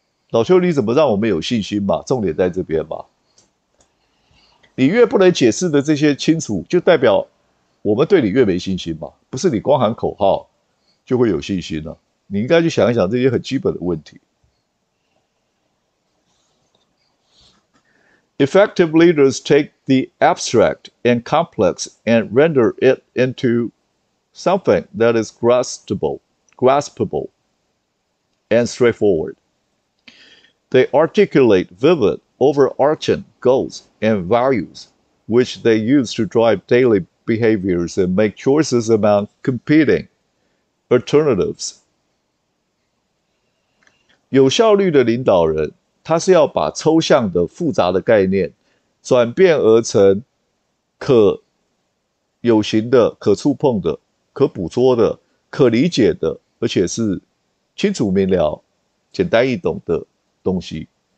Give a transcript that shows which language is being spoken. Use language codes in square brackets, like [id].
[zh] 老邱，你怎么让我们有信心嘛？重点在这边嘛。你越不能解释的这些清楚，就代表。我们对你越没信心嘛，不是你光喊口号就会有信心了。你应该去想一想这些很基本的问题。 [en] Effective leaders take the abstract and complex and render it into something that is graspable and straightforward. They articulate vivid, overarching goals and values, which they use to drive daily behaviors and make choices among competing alternatives。 [zh] 有效率的领导人，他是要把抽象的、复杂的概念转变而成可有形的、可触碰的、可捕捉的、可理解的，而且是清楚明了、简单易懂的东西。